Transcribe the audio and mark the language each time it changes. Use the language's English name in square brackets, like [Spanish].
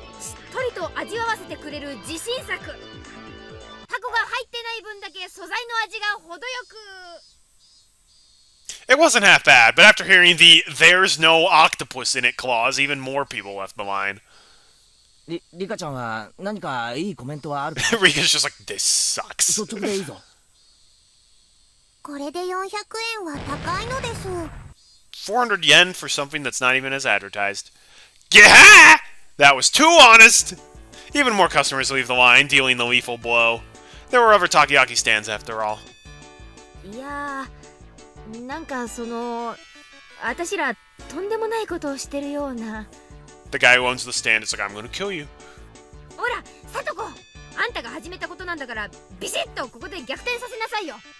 [Japanese] しっとりと味わわせてくれる自信作。タコが入ってない分だけ素材の味が程よく。 [English] It wasn't half bad, but after hearing the "there's no octopus in it" clause, even more people left the line. [Japanese] Rika ちゃんは何かいいコメントはあるか? [English] Rika's just like, "This sucks." [Japanese] 率直でいいぞ。これで400円は高いのです。 [English] 400 yen for something that's not even as advertised. Gah! That was too honest! Even more customers leave the line, dealing the lethal blow. There were other takoyaki stands after all. Yeah... [Japanese] なんかその私らとんでもないことをしてるような。 [English] The guy who owns the stand is like, I'm gonna kill you. [Japanese] ほら、サトコ、あんたが始めたことなんだからビシッとここで逆転させなさいよ。